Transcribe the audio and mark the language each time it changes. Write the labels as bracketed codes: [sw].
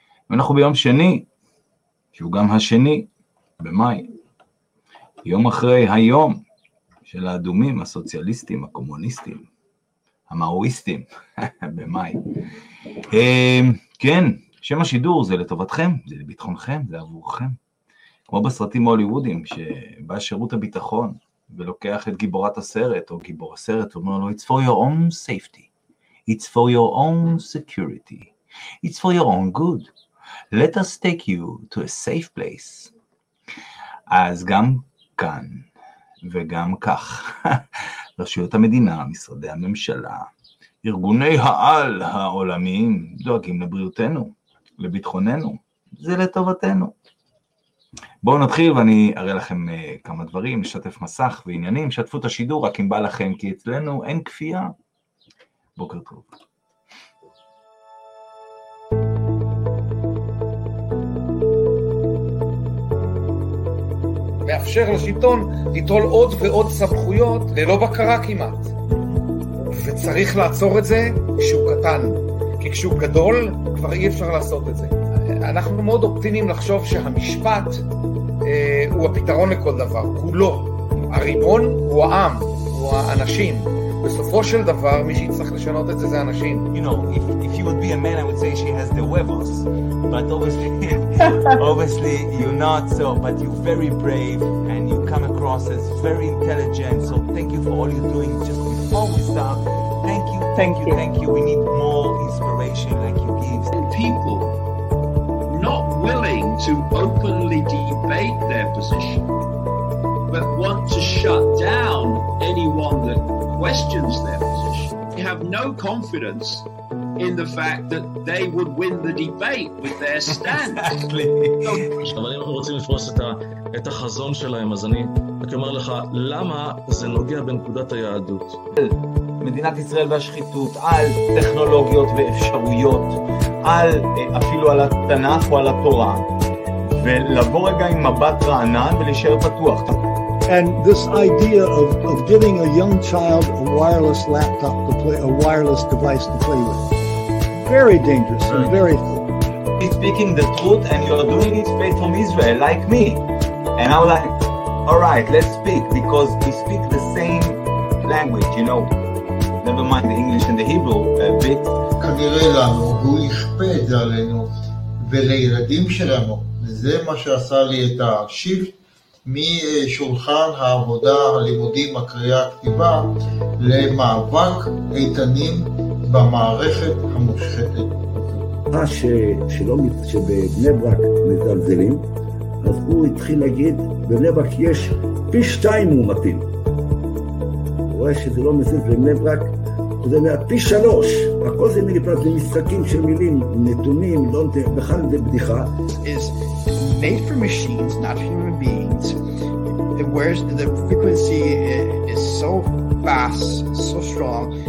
[he] אנחנו ביום שני, שהוא גם השני במאי, יום אחרי היום של האדומים, הסוציאליסטים, הקומוניסטים, המאואיסטים, במאי. כן, שם השידור זה לטובתכם, זה לביטחונכם, זה עבורכם. כמו בסרטים הוליוודיים, שבא שירות הביטחון ולוקח את גיבורת הסרט או גיבור הסרט ואומר לו, [en] it's for your own safety. It's for your own security. It's for your own good. Let us take you to a safe place. [he] אז גם כאן וגם כך, רשויות המדינה, משרדי הממשלה, ארגוני העל העולמיים דואגים לבריאותנו, לביטחוננו, זה לטובתנו. בואו נתחיל ואני אראה לכם כמה דברים, נשתף מסך ועניינים, שתפו את השידור רק אם בא לכם כי אצלנו אין כפייה. בוקר טוב. מאפשר לשלטון ליטול עוד ועוד סמכויות ללא בקרה כמעט. וצריך לעצור את זה כשהוא קטן. כי כשהוא גדול, כבר אי אפשר לעשות את זה. אנחנו מאוד אופטימיים לחשוב שהמשפט הוא הפתרון לכל דבר, כולו. הריבון הוא העם, הוא האנשים. בסופו של דבר, מי שיצטרך לשנות את זה, זה אנשים. [en] You know, if you would be a man, I would say she has the huevos. But obviously you're not so, but you're very brave, and you come across as very intelligent. So thank you for all you're doing. Just before we start, thank you. We need more inspiration like you give. People not willing to openly debate their position, but want to shut down anyone that questions their position. They have no confidence in the fact that they would win the debate with their stand. Exactly. [he] אבל אם אנחנו רוצים לפרוס את החזון שלהם, אז אני רק אומר לך, למה זה נוגע בנקודת היהדות? על מדינת ישראל והשחיתות, על טכנולוגיות ואפשרויות, על אפילו על התנ"ך או על התורה, ולבוא רגע עם מבט רענן ולהישאר פתוח. [en] And this idea of giving a young child a wireless laptop to play, a wireless device to play with, very dangerous and very thin. He's speaking the truth and you're doing it straight from Israel, like me. And I'm like, all right, let's speak, because we speak the same language, you know. Never mind the English and the Hebrew a bit. [he] כנראה לנו, הוא ישפט עלינו ולילדים שלנו. וזה מה שעשה לי את השיפט. משולחן העבודה, הלימודים, הקריאה, הכתיבה, למאבק איתנים במערכת המושחתת. מה שבבני ברק מזלזלים, אז הוא התחיל להגיד, בבני ברק יש פי שתיים מומתים. הוא רואה שזה לא מזלזל בבני ברק, זה מהפי שלוש. הכל זה נגיד, זה משחקים של מילים, נתונים, לא נתונים, בכלל זה בדיחה. [en] Made for machines, not human beings. Where's the frequency is so fast, so strong.